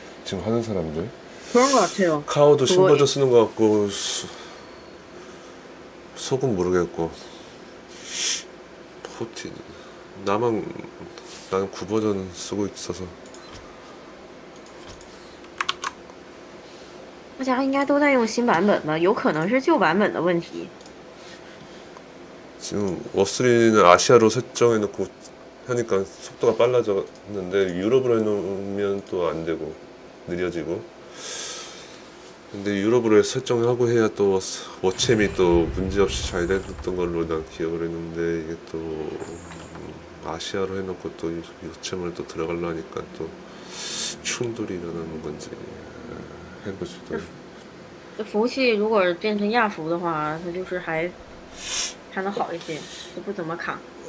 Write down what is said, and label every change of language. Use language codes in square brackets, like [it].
[ko] 지금 하는 사람들? 그런 것 같아요. 카오도 그거 신버전 쓰는 것 같고, 속은 모르겠고, 포티, 나는 9버전 쓰고 있어서. [zh] 我想应该都在用新版本吧，有可能是旧版本的问题。 [ko] 지금 워스리는 아시아로 설정해놓고 하니까 속도가 빨라졌는데 유럽으로 해놓으면 또안 되고 느려지고 근데 유럽으로 설정하고 해야 또 워챔이 또 문제없이 잘 됐던 걸로 난 기억을 했는데 이게 또 아시아로 해놓고 또 워챔을 또 들어가려 하니까 또 충돌이 일어나는 건지 해보지도 [zh] 这服务器如果变成亚服的话，它就是还能好一些，就不怎么卡。